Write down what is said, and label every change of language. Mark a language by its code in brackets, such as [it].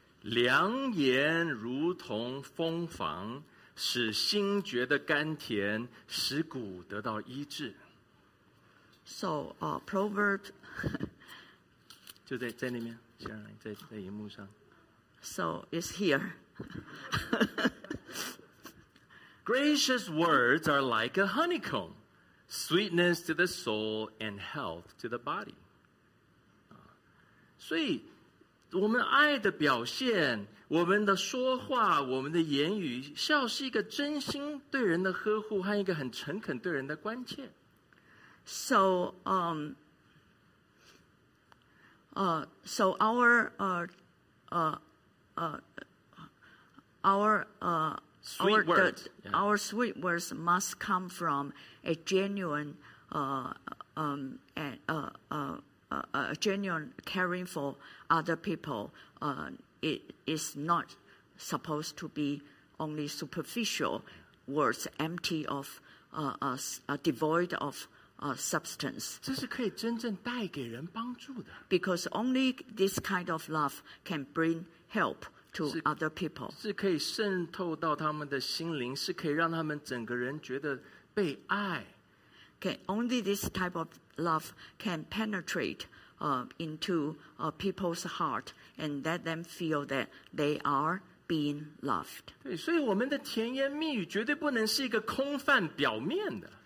[zh] 良言如同蜂房，使心觉得甘甜，使骨得到医治。 [en] So Proverbs. [zh] 就在那边，先生，在荧幕上。 [en] So it's here. Gracious words are like a honeycomb, sweetness to the soul and health to the body. [zh] 所以，我们爱的表现，我们的说话，我们的言语，像是一个真心对人的呵护和一个很诚恳对人的关切。 [en] So our sweet words must come from a genuine a genuine caring for other people. It is not supposed to be only superficial words, empty of devoid of substance. [zh] 这是可以真正带给人帮助的。 [en] Because only this kind of love can bring help to other people. [zh] 是可以渗透到他们的心灵，是可以让他们整个人觉得被爱。 [en] Okay, only this type of love can penetrate into people's heart and let them feel that they are being loved. [zh] 对，所以我们的甜言蜜语绝对不能是一个空泛表面的。